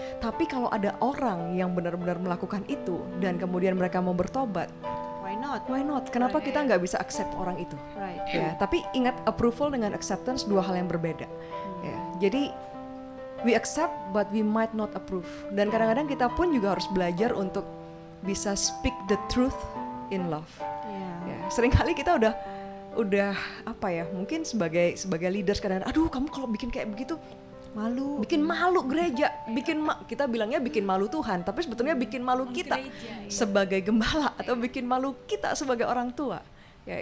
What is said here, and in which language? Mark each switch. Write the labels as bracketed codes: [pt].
[id] Tapi kalau ada orang yang benar-benar melakukan itu dan kemudian mereka mau bertobat, [en] why not? [id] Kenapa kita nggak bisa accept orang itu? [en] Right. [id] Ya, tapi ingat, approval dengan acceptance dua hal yang berbeda. Ya, jadi [en] we accept but we might not approve. [id] Dan kadang-kadang kita pun juga harus belajar untuk bisa [en] speak the truth in love. Yeah. [id] Ya, seringkali kita udah apa ya, mungkin sebagai leaders kadang-kadang, aduh kamu kalau bikin kayak begitu malu, bikin malu gereja, kita bilangnya bikin malu Tuhan, tapi sebetulnya bikin malu kita sebagai gembala atau bikin malu kita sebagai orang tua ya.